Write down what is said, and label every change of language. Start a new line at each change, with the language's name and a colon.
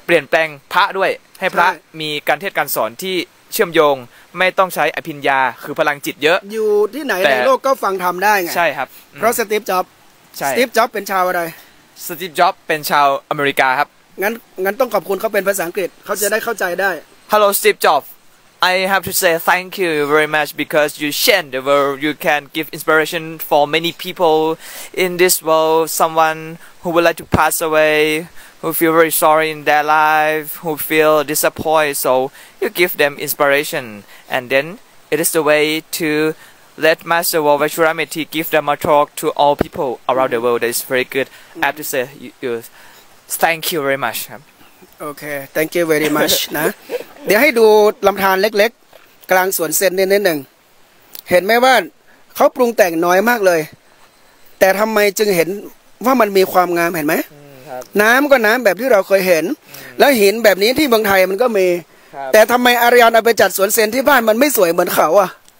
Thai: เปลี่ยนแปลงพระด้วยให้พระมีการเทศการสอนที่เชื่อมโยงไม่ต้องใช้อภิญญาคือพลังจิตเยอะ อยู่ที่ไหนในโลกก็ฟังธรรมได้ไง ใช่ครับ เพราะสตีฟจ็อบ ใช่ สตีฟจ็อบเป็นชาวอะไร สตีฟจ็อบเป็นชาวอเมริกาครับ งั้นต้องขอบคุณเขาเป็นภาษาอังกฤษเขาจะได้เข้าใจได้
English: Hello Steve JobsI have to say thank you very much because you share the world. You can give inspiration for many people in this world. Someone who would like to pass away, who feel very sorry in their life, who feel disappointed. So you give them inspiration. And then it is the way to let Master Vajramiti give them a talk to all people around the world. That is very good. I have to say you thank you very much.
Thai: โอเค
English: thank you very much
Thai: นะเดี๋ยวให้ดูลำธารเล็กๆกลางสวนเซนนิดหนึ่งเห็นไหมว่าเขาปรุงแต่งน้อยมากเลยแต่ทำไมจึงเห็นว่ามันมีความงามเห็นไห ม น้ำก็น้ำแบบที่เราเคยเห็นแล้วหินแบบนี้ที่เมืองไทยมันก็มีแต่ทำไมอารยันเอาไปจัดสวนเซนที่บ้านมันไม่สวยเหมือนเขาอ่ะ